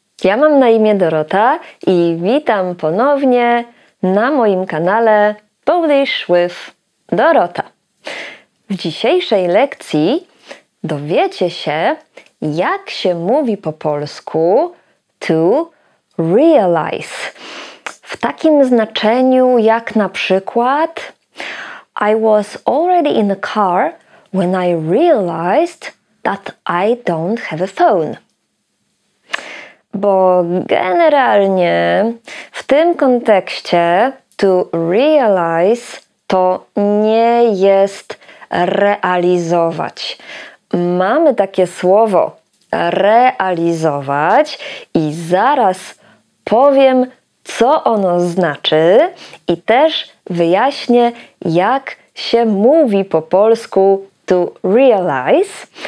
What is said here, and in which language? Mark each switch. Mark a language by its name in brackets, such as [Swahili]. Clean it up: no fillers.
[Polish] Ja mam na imię Dorota i witam ponownie na moim kanale Polish with Dorota. W dzisiejszej lekcji dowiecie się, jak się mówi po polsku to realize. W takim znaczeniu jak na przykład [English] I was already in the car when I realized that I don't have a phone. [Polish] Bo generalnie w tym kontekście to realize to nie jest realizować. Mamy takie słowo realizować i zaraz powiem, co ono znaczy i też wyjaśnię, jak się mówi po polsku to realize.